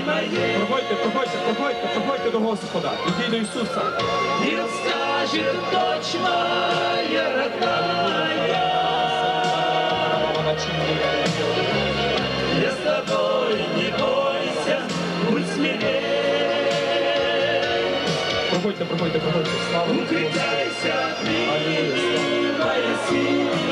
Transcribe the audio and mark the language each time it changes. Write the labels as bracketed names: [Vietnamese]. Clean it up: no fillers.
[Ukrainian] Проходьте до Господа, ідіть до Ісуса. І розкаже дочь моя родная. Я з тобою, [Russian] не бойся, [Ukrainian] будь смілей. Проходьте, проходьте, проходьте. Слава. [Russian] Укрепляйся, принимай силу.